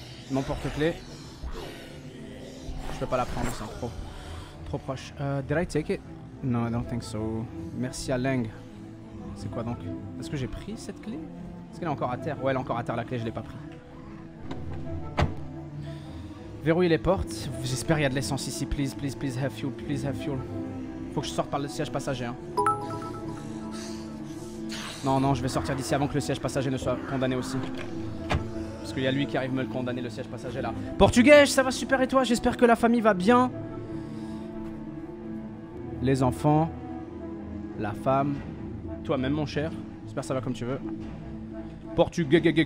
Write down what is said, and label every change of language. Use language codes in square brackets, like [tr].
[fr] Mon porte-clés. Je peux pas la prendre, c'est trop proche. [en] Did I take it? No, I don't think so. [fr] Merci à Leng. C'est quoi donc? Est-ce que j'ai pris cette clé? Est-ce qu'elle est encore à terre? Ouais, elle est encore à terre, la clé, je l'ai pas pris. Verrouille les portes. J'espère qu'il y a de l'essence ici. [en] Please, please, please, have fuel, please, have fuel. [fr] Faut que je sorte par le siège passager. Hein. Non, je vais sortir d'ici avant que le siège passager ne soit condamné aussi. Parce qu'il y a lui qui arrive me le condamner, le siège passager, là. Portugais, ça va super et toi? J'espère que la famille va bien. Les enfants. La femme. Toi-même, mon cher. J'espère que ça va comme tu veux. Portugais.